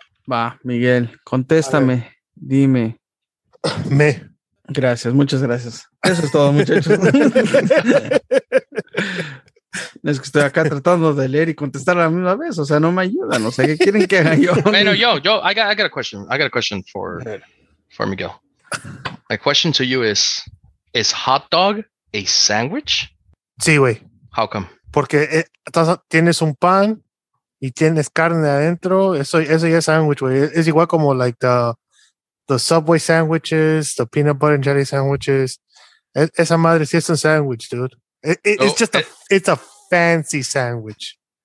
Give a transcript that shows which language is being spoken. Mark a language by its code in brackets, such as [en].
[es] Va, Miguel, contéstame, dime. Me. Gracias, muchas gracias. Eso es todo, muchachos. Es que estoy acá tratando de leer y contestar a la misma vez, o sea, no me ayudan, o sea, ¿qué quieren que haga yo? Bueno, yo, [en] I got a question for Miguel. My question to you is hot dog a sandwich? [es] Sí, güey. [en] How come? [es] Porque tienes un pan y tienes carne adentro, eso ya es sandwich, güey. Es igual como [en] like the Subway sandwiches, the peanut butter and jelly sandwiches. [es] Esa madre sí es un sandwich, dude. [en] It's a fancy sandwich.